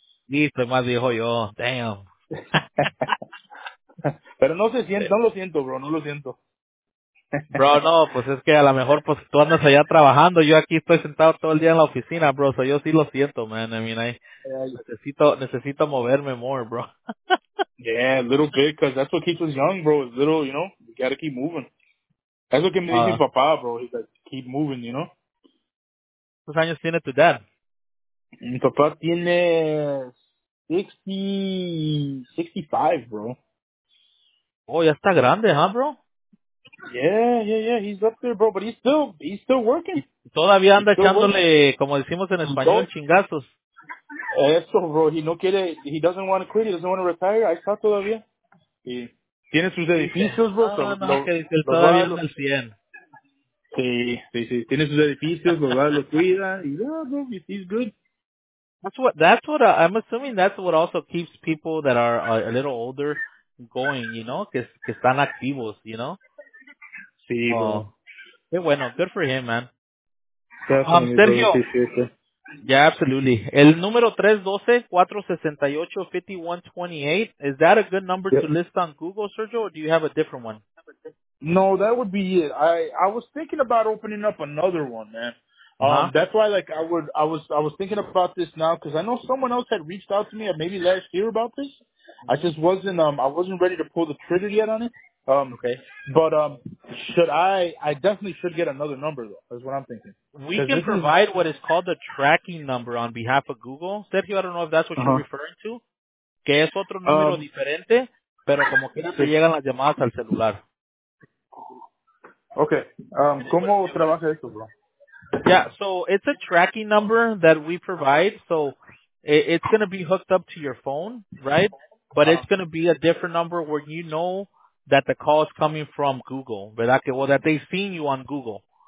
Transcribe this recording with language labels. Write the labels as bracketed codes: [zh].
[es] Sí, soy más viejo yo. [en] Damn. [es] Pero no se siente, no lo siento, bro, no lo siento. Bro, no, pues es que a lo mejor pues tú andas allá trabajando. Yo aquí estoy sentado todo el día en la oficina, bro. O sea, yo sí lo siento, man. [en] I mean, [es] necesito moverme [en] more, [es] bro. [en] Yeah, a little bit, because that's what keeps us young, bro. It's little, you know, you gotta keep moving. That's what [es] me dice mi papá, [en] bro. He's like, keep moving, you know. [es] ¿Cuántos años tiene tu dad? Mi papá tiene 65, bro. Oh, ya está grande, huh, bro? [en] Yeah, he's up there, bro, but he's still working. [es] Todavía anda echándole, como decimos en español, chingazos. Eso, [en] bro, he doesn't want to quit, he doesn't want to retire, [es] ahí está todavía. Tiene sus edificios, bro. Todavía no es 100. Sí, tiene sus edificios, lo cuida, y ya, bro, [en] he's good. That's what I'm assuming that's what also keeps people that are a little older going, you know, [es] que están activos, [en] you know. [es] Sí, bueno, [en] good for him, man. Definitely, Sergio, really appreciate it. Yeah, absolutely. [es] El número [en] 312-468-5128, is that a good number to list on Google, Sergio, or do you have a different one? No, that would be it. I was thinking about opening up another one, man. That's why, like, I was thinking about this now, because I know someone else had reached out to me maybe last year about this. I just wasn't I wasn't ready to pull the trigger yet on it. But I definitely should get another number, though, is what I'm thinking. We can provide what is called the tracking number on behalf of Google. Sergio, I don't know if that's what you're referring to. [es] Que es otro número diferente, pero como que te llegan las llamadas al celular. Okay. ¿Cómo trabaja esto, bro? [en] Yeah, so it's a tracking number that we provide. So it's going to be hooked up to your phone, right? But it's going to be a different number where you know that the call is coming from Google, [es] ¿verdad? Que, [en] well, that they've seen you on Google.